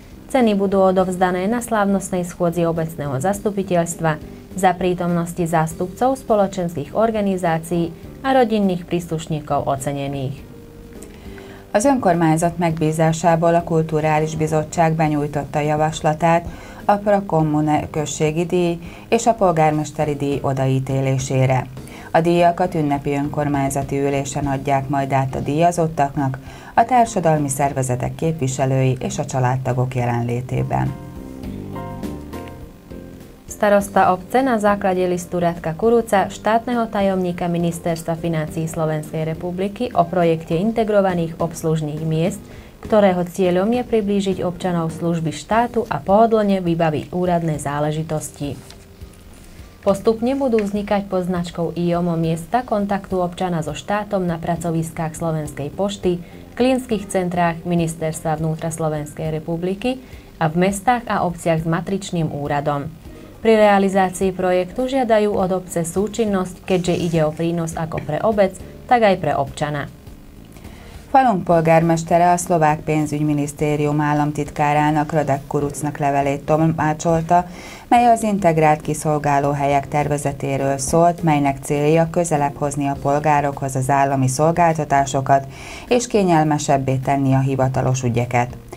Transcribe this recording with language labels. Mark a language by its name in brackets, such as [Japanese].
[Slovak] Ceny budú odovzdané na slávnostnej schôdzi obecného zastupiteľstva za prítomnosti zástupcov spoločenských organizácií a rodinných príslušníkov ocenených. [Hungarian] Az önkormányzat megbízásából a kulturális bizottság benyújtotta javaslatát a prokommune községi díj és a polgármesteri díj odaítélésére. A díjakat ünnepi önkormányzati ülésen adják majd át a díjazottaknak, a társadalmi szervezetek képviselői és a családtagok jelenlétében. [Slovak] Starosta obce na základe listu Radka Kuruca, štátneho tajomníka Ministerstva financií Slovenskej republiky o projekte integrovaných obslužných miest, ktorého cieľom je priblížiť občanov služby štátu a pohodlne vybaviť úradné záležitosti. Postupne budú vznikať pod značkou IOMO miesta kontaktu občana so štátom na pracoviskách Slovenskej pošty, klinických centrách Ministerstva vnútra Slovenskej republiky a v mestách a obciach s matričným úradom. Pri realizácii projektu žiadajú od obce súčinnosť, keďže ide o prínos ako pre obec, tak aj pre občana. [Hungarian] Falunk polgármestere a szlovák pénzügyminisztérium államtitkárának Radek Kurucnak levelét tolmácsolta, mely az integrált kiszolgálóhelyek tervezetéről szólt, melynek célja közelebb hozni a polgárokhoz az állami szolgáltatásokat és kényelmesebbé tenni a hivatalos ügyeket.